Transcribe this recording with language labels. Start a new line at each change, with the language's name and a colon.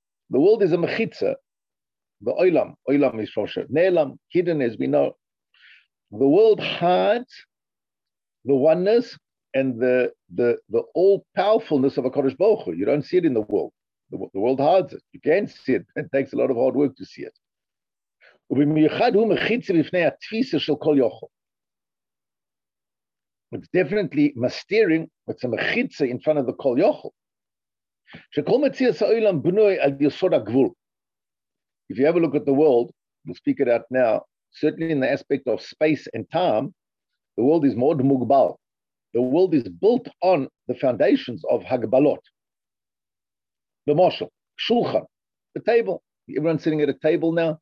English: The world is a mechitza. The olam, olam is from Shem. Ne'olam, hidden as we know. The world hides the oneness and the all-powerfulness of HaKadosh Baruch Hu. You don't see it in the world. The world hides it. You can see it. It takes a lot of hard work to see it.
Hebrew: ובמיוחד הוא מחיץ בפני התפיסה של כל יוכל.
English: It's definitely mastering, it's a מחיצה in front of the כל יוכל.
Hebrew: שכל מציע סעולם בנוי על יסוד הגבול.
English: If you have a look at the world, we'll speak it out now, certainly in the aspect of space and time, the world is
Hebrew: מאוד מוגבל.
English: The world is built on the foundations of הגבלות.
Hebrew: למשל, שולחן,
English: the table. Everyone sitting at a table now.